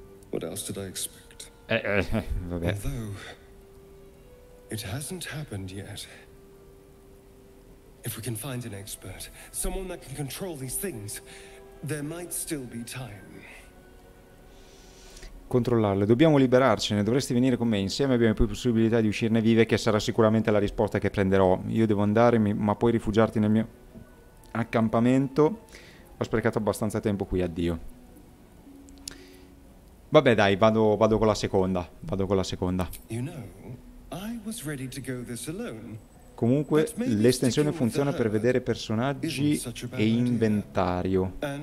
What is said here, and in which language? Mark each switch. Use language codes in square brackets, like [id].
[en] What else did I expect? [it] Vabbè. [en] Although. It hasn't happened yet. If we can find an expert, someone that can control these things, there might still be time. [it] Controllarle, dobbiamo liberarcene, dovresti venire con me, insieme abbiamo più possibilità di uscirne vive, che sarà sicuramente la risposta che prenderò. Io devo andare, ma puoi rifugiarti nel mio accampamento. Ho sprecato abbastanza tempo qui, addio. Vabbè, dai, vado con la seconda. Vado con la seconda. [en] You know, I was ready to go this alone. [it] Comunque l'estensione funziona per vedere personaggi e inventario.